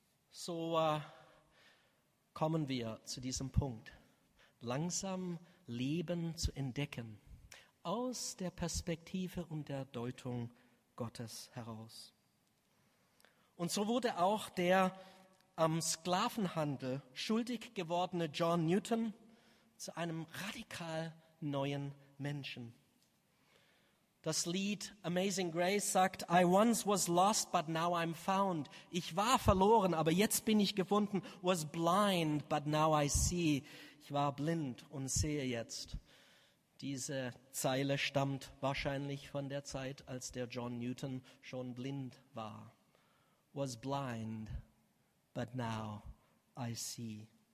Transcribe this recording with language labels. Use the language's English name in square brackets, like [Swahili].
[German] So so kommen wir zu diesem Punkt, langsam Leben zu entdecken, aus der Perspektive und der Deutung Gottes heraus. Und so wurde auch der am Sklavenhandel schuldig gewordene John Newton zu einem radikal neuen Menschen. Das Lied Amazing Grace sagt, [English] I once was lost, but now I'm found. [German] Ich war verloren, aber jetzt bin ich gefunden. [English] Was blind, but now I see. [German] Ich war blind und sehe jetzt. Diese Zeile stammt wahrscheinlich von der Zeit, als der John Newton schon blind war. [English] Was blind, but now I see.